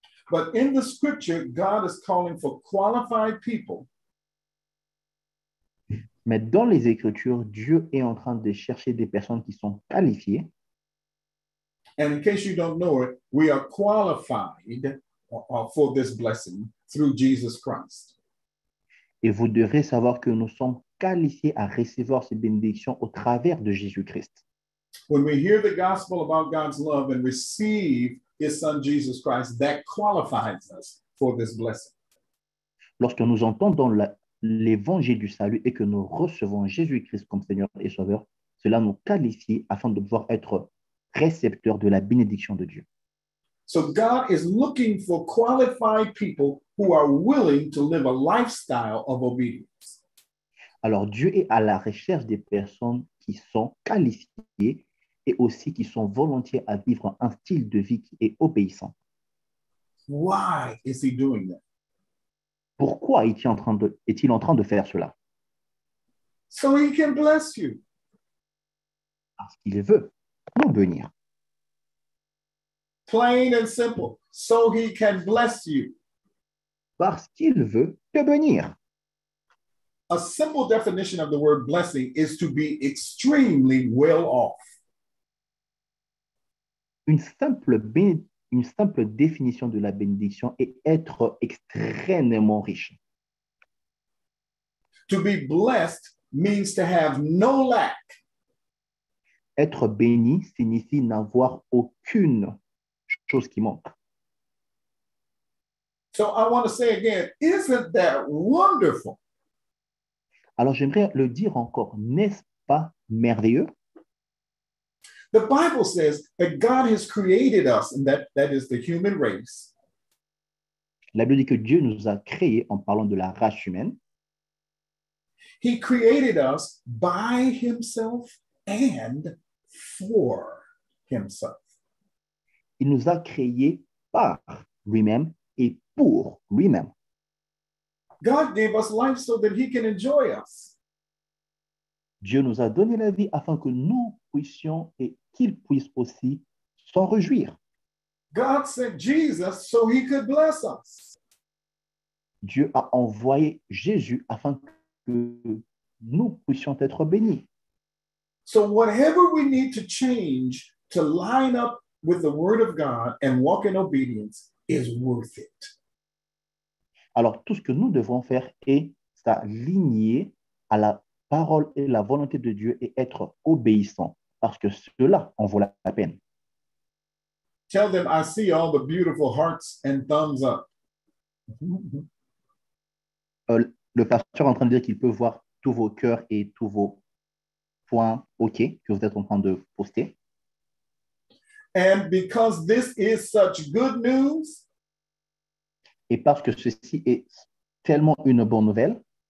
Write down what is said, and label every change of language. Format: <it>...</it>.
<en>But in the scripture, God is calling for qualified people.</en> <fr>Mais dans les Écritures, Dieu est en train de chercher des personnes qui sont qualifiées.</fr> <en>And in case you don't know it, we are qualified for this blessing through Jesus Christ.</en> <fr>Et vous devrez savoir que nous sommes qualifié à recevoir ces bénédictions au travers de Jésus-Christ.</fr> <en>When we hear the gospel about God's love and receive his son Jesus Christ, that qualifies us for this blessing.</en> <fr>Lorsque nous entendons l'évangile du salut et que nous recevons Jésus-Christ comme Seigneur et Sauveur, cela nous qualifie afin de pouvoir être récepteurs de la bénédiction de Dieu.</fr> <en>So God is looking for qualified people who are willing to live a lifestyle of obedience.</en> <fr>Alors, Dieu est à la recherche des personnes qui sont qualifiées et aussi qui sont volontiers à vivre un style de vie qui est obéissant.</fr> <en>Why is he doing that?</en> <fr>Pourquoi est-il en train de faire cela?</fr> <en>So he can bless you.</en> <fr>Parce qu'il veut nous bénir.</fr> <en>Plain and simple. So he can bless you.</en> <fr>Parce qu'il veut te bénir.</fr> <en>A simple definition of the word blessing is to be extremely well off.</en> <fr>Une simple définition de la bénédiction est être extrêmement riche.</fr> <en>To be blessed means to have no lack.</en> <fr>Être béni signifie n'avoir aucune chose qui manque.</fr> <en>So I want to say again, isn't that wonderful?</en> <fr>Alors, j'aimerais le dire encore, n'est-ce pas merveilleux?</fr> <en>The Bible says that God has created us, and that is the human race.</en> <fr>La Bible dit que Dieu nous a créés en parlant de la race humaine.</fr> <en>He created us by himself and for himself.</en> <fr>Il nous a créés par lui-même et pour lui-même.</fr> <en>God gave us life so that he can enjoy us.</en> <fr>Dieu nous a donné la vie afin que nous puissions et qu'il puisse aussi s'en réjouir.</fr> <en>God sent Jesus so he could bless us.</en> <fr>Dieu a envoyé Jésus afin que nous puissions être bénis.</fr> <en>So whatever we need to change to line up with the word of God and walk in obedience is worth it.</en> <fr>Alors, tout ce que nous devons faire est s'aligner à la parole et la volonté de Dieu et être obéissant, parce que cela en vaut la peine.</fr> <en>Tell them I see all the beautiful hearts and thumbs up.</en> <fr>Le pasteur est en train de dire qu'il peut voir tous vos cœurs et tous vos points OK que vous êtes en train de poster.</fr> <en>And because this is such good news,</en> <fr>et parce que ceci est tellement une bonne nouvelle,</fr>